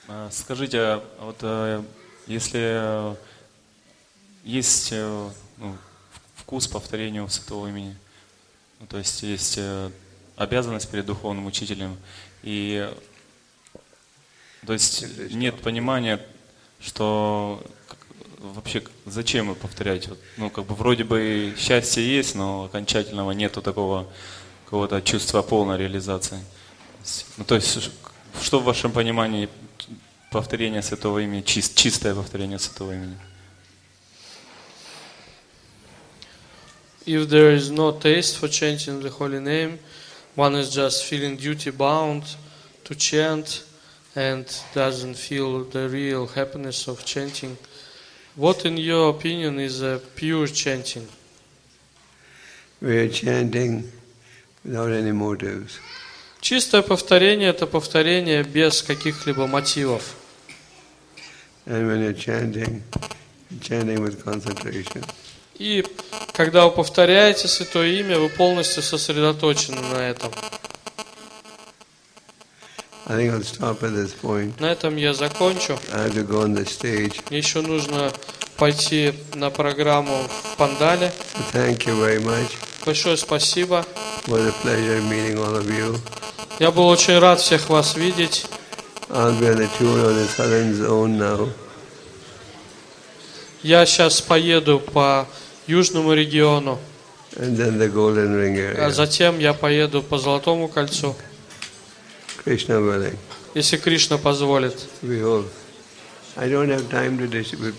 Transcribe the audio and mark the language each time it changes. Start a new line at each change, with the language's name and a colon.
Russian: Скажите, вот если есть ну, вкус повторения святого имени, ну, то есть есть обязанность перед духовным учителем, и то есть нет понимания, что вообще, зачем повторять? Ну, как бы, вроде бы счастье есть, но окончательного нету такого какого-то чувства полной реализации. Ну, то есть, что в вашем понимании повторение святого имени, чистое повторение святого имени?
English: If there is no taste for chanting the holy name, one is just feeling duty bound to chant and doesn't feel the real happiness of chanting. What, in your opinion, is a pure chanting? We are chanting without any motives.
Russian: Чистое повторение – это повторение без каких-либо мотивов.
English: And when you're chanting with concentration.
Russian: И когда вы повторяете Святое Имя, вы полностью сосредоточены на этом.
English: I think I'll stop at this point.
Russian: На этом я закончу.
English: I have to go on the stage.
Russian: Мне еще нужно пойти на программу в Пандале.
English: Thank you very much.
Russian: Большое спасибо.
English: What a pleasure meeting all of you.
Russian: Я был очень рад всех вас видеть.
English: I'll be on the tour of the southern zone now.
Russian: Я сейчас поеду по южному региону.
English: And then the Golden Ring area.
Russian: А затем я поеду по Золотому кольцу.
English: Krishna willing.
Russian: Если Кришна позволит.
English: Behold. I don't have time to distribute.